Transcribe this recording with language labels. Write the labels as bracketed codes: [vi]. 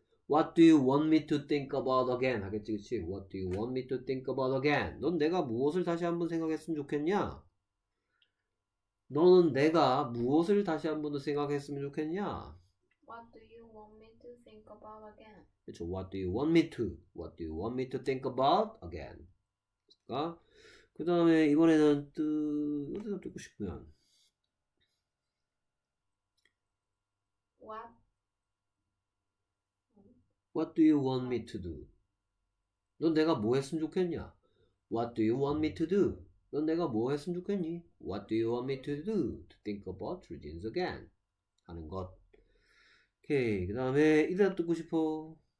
[en] What do you want me to think about again? [ko] 하겠지, 그치? [en] What do you want me to think about again? [ko] 넌 내가 무엇을 다시 한번 생각했으면 좋겠냐? 너는 내가 무엇을 다시 한번 더 생각했으면 좋겠냐? [en] What do you want me to think about again? [ko] 그쵸? [en] What do you want me to? What do you want me to think about again? [ko] 그 다음에 이번에는 뜨, 어디서 듣고 싶으면. [en] What do you want me to do? [ko] 넌 내가 뭐 했으면 좋겠냐? [en] What do you want me to do? [ko] 넌 내가 뭐 했으면 좋겠니? [en] What do you want me to do? To think about true jeans again. [ko] 하는 것. 오케이, 그 다음에 이 대답 듣고 싶어.